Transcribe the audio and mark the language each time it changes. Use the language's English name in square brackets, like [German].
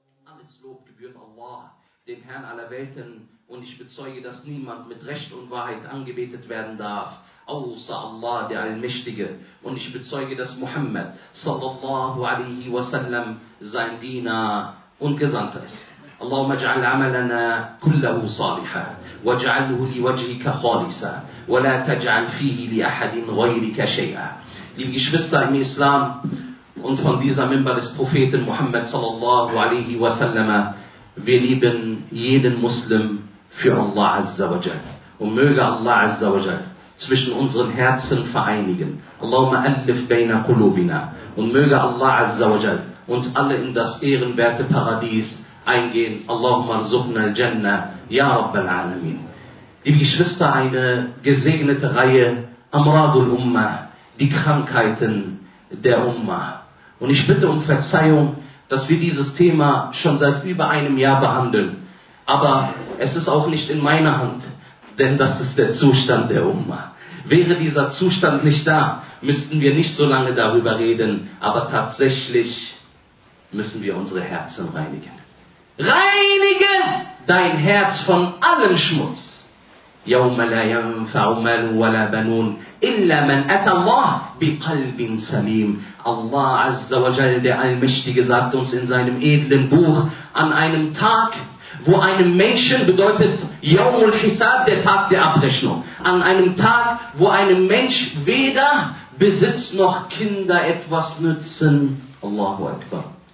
[German] alles Lob gebührt Allah, dem Herrn aller Welten, und ich bezeuge, dass niemand mit Recht und Wahrheit angebetet werden darf, außer Allah, der Allmächtige. Und ich bezeuge, dass Muhammad sallallahu alaihi wasallam sein Diener und Gesandter ist. [Arabic] اللهم اجعل عملنا كله صالحا واجعله لوجهك خالصا ولا تجعل فيه لأحد غيرك شيئا. [German] Liebe Geschwister im Islam und von dieser Minbar des Propheten Muhammad sallallahu alaihi wasallam, wir lieben jeden Muslim für Allah azza wa jal. Und möge Allah azza wa jal zwischen unseren Herzen vereinigen. [Arabic] Allahumma alif bayna qulubina. [German] Und möge Allah azza wa jal uns alle in das ehrenwerte Paradies eingehen. [Arabic] Allahumma arzuqna al-jannah ya rabbal alamin. [German] Liebe Geschwister, eine gesegnete Reihe, Amradul Ummah, die Krankheiten der Ummah. Und ich bitte um Verzeihung, dass wir dieses Thema schon seit über einem Jahr behandeln. Aber es ist auch nicht in meiner Hand, denn das ist der Zustand der Ummah. Wäre dieser Zustand nicht da, müssten wir nicht so lange darüber reden. Aber tatsächlich müssen wir unsere Herzen reinigen. Reinige dein Herz von allem Schmutz. [Arabic] يوم لا ينفع مال ولا بنون إلا من أتى الله بقلب سليم. [German] Allah Azza wa Jal, der Allmächtige, sagt uns in seinem edlen Buch, an einem Tag, wo einem Menschen, bedeutet [Arabic] يوم الحساب, [German] der Tag der Abrechnung, an einem Tag, wo einem Mensch weder Besitz noch Kinder etwas nützen. Allahu Akbar.